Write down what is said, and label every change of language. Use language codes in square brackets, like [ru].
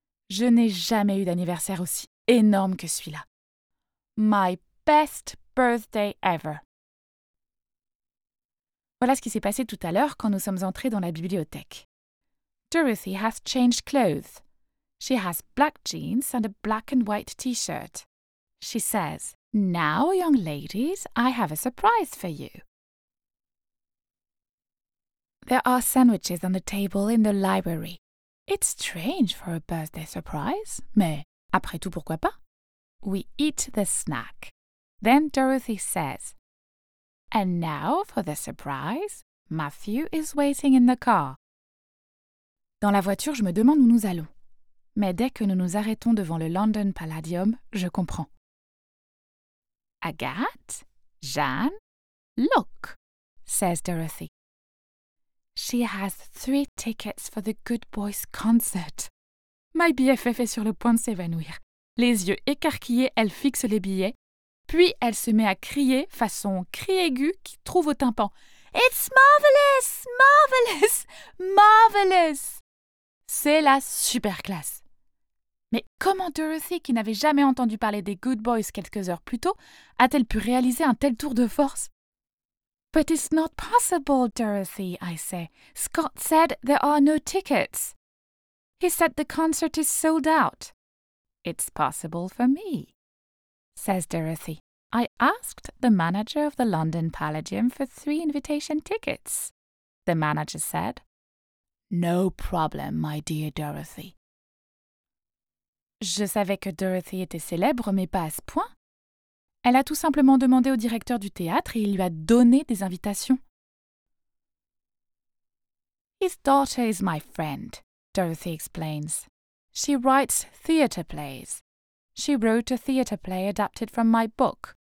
[fr] Je n'ai jamais eu d'anniversaire aussi énorme que celui-là. [en] My best birthday ever. [fr] Voilà ce qui s'est passé tout à l'heure quand nous sommes entrés dans la bibliothèque. [en] Dorothy has changed clothes. She has black jeans and a black and white t-shirt. She says, "Now, young ladies, I have a surprise for you." There are sandwiches on the table in the library. It's strange for a birthday surprise, [fr] mais après tout, pourquoi pas? [en] We eat the snack. Then Dorothy says, "And now for the surprise, Matthew is waiting in the car." [fr] Dans la voiture, je me demande où nous allons. Mais dès que nous nous arrêtons devant le London Palladium, je comprends. [en] "Agathe, Jeanne, look," says Dorothy. She has 3 tickets for the Good Boys concert. My BFF [fr] est sur le point de s'évanouir. Les yeux écarquillés, elle fixe les billets. Puis elle se met à crier façon cri aigu qui trouve au tympan. [en] It's marvelous! Marvelous! Marvelous! [fr] C'est la super classe. Mais comment Dorothy, qui n'avait jamais entendu parler des Good Boys quelques heures plus tôt, a-t-elle pu réaliser un tel tour de force? [en] But it's not possible, Dorothy, I say. Scott said there are no tickets. He said the concert is sold out. It's possible for me, says Dorothy. I asked the manager of the London Palladium for 3 invitation tickets. The manager said, "No problem, my dear Dorothy." [fr] Je savais que Dorothy était célèbre, mais pas à ce point. Elle a tout simplement demandé au directeur du théâtre et il lui a donné des invitations. [en] His daughter is my friend, Dorothy explains. She writes theatre plays. She wrote a theatre play adapted from my book.